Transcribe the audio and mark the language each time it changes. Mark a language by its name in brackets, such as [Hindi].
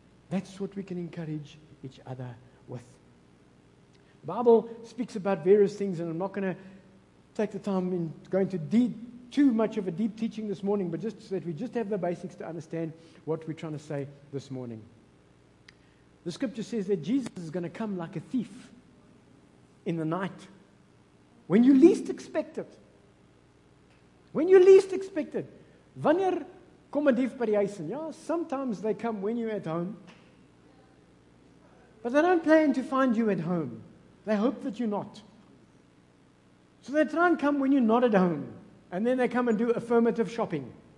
[English] That's what we can encourage each other with. The Bible speaks about various things, and I'm not going to take the time in going to too much of a deep teaching this morning, but just so that we just have the basics to understand what we're trying to say this morning. The scripture says that Jesus is going to come like a thief in the night. When you least expect it. When you least expect it. [Afrikaans] Wanneer kom 'n dief by die huis? [English] Ja, sometimes they come when you're at home. But they don't plan to find you at home. They hope that you're not. So they try and come when you're not at home. And then they come and do affirmative shopping.